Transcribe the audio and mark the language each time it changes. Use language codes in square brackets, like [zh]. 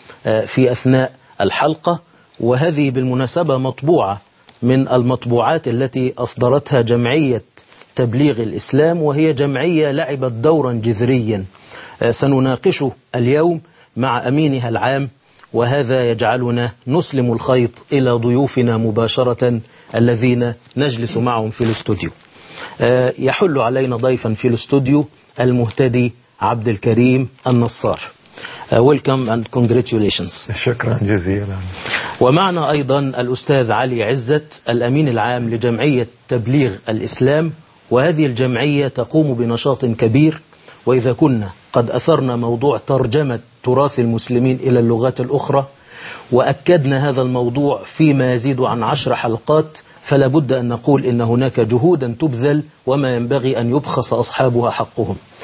[ar] في أثناء الحلقة، وهذه بالمناسبة مطبوعة من المطبوعات التي أصدرتها جمعية تبليغ الإسلام، وهي جمعية لعبت دورا جذريا سنناقشه اليوم مع أمينها العام، وهذا يجعلنا نسلم الخيط إلى ضيوفنا مباشرة الذين نجلس معهم في الاستوديو. يحل علينا ضيفا في الاستوديو المهتدي عبد الكريم النصار. [en] Welcome and congratulations. [ar] شكرا جزيلا. ومعنا أيضا الأستاذ علي عزت، الأمين العام لجمعية تبليغ الإسلام، وهذه الجمعية تقوم بنشاط كبير، وإذا كنا قد أثرنا موضوع ترجمة تراث المسلمين إلى اللغات الأخرى وأكدنا هذا الموضوع فيما يزيد عن 10 حلقات، فلا بد أن نقول إن هناك جهودا تبذل وما ينبغي أن يبخس أصحابها حقهم.